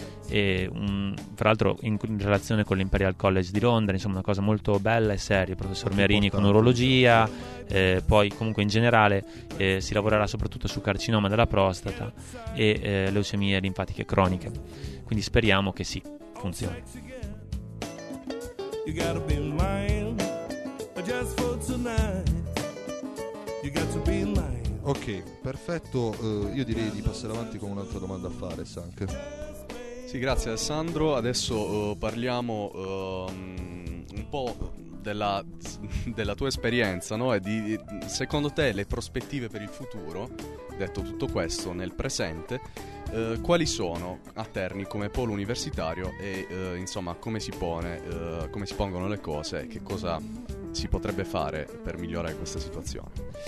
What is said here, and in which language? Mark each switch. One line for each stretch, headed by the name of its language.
Italian: E, fra l'altro in relazione con l'Imperial College di Londra, insomma una cosa molto bella e seria, il professor Merini con urologia, poi comunque in generale si lavorerà soprattutto sul carcinoma della prostata e leucemie linfatiche croniche, quindi speriamo che sì, funzioni.
English: You gotta be mine just for tonight. You gotta be mine.
Italian: Ok, perfetto, io direi di passare avanti con un'altra domanda a fare, Sank. Sì, grazie Alessandro. Adesso parliamo un po' della tua esperienza, no? E di, secondo te, le prospettive per il futuro, detto tutto questo, nel presente, quali sono a Terni come polo universitario e insomma come si pongono le cose e che cosa si potrebbe fare per migliorare questa situazione?